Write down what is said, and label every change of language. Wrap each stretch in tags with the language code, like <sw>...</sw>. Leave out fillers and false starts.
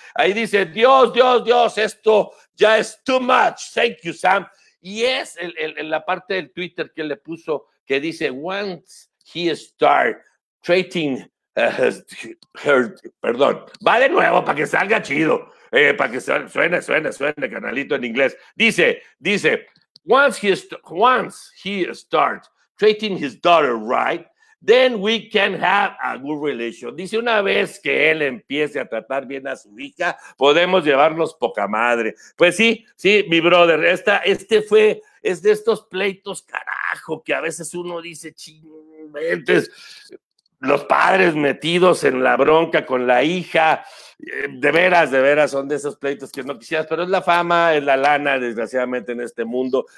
<es>Ahí dice, Dios, Dios, Dios, esto ya es</es> <en>too much. Thank you, Sam.</en> <es>Y es en la parte del Twitter que le puso, que dice,</es> <en>once he start treating her,</en> <es>perdón, va de nuevo para que salga chido, para que suene, canalito en inglés.</es> <en>Dice, once he start treating his daughter right, then we can have a good relation.</en> <es>Dice, una vez que él empiece a tratar bien a su hija, podemos llevarnos poca madre. Pues sí, mi brother, es de estos pleitos, carajo, que a veces uno dice, chingentes, los padres metidos en la bronca con la hija, de veras, son de esos pleitos que no quisieras, pero es la fama, es la lana, desgraciadamente, en este mundo.</es>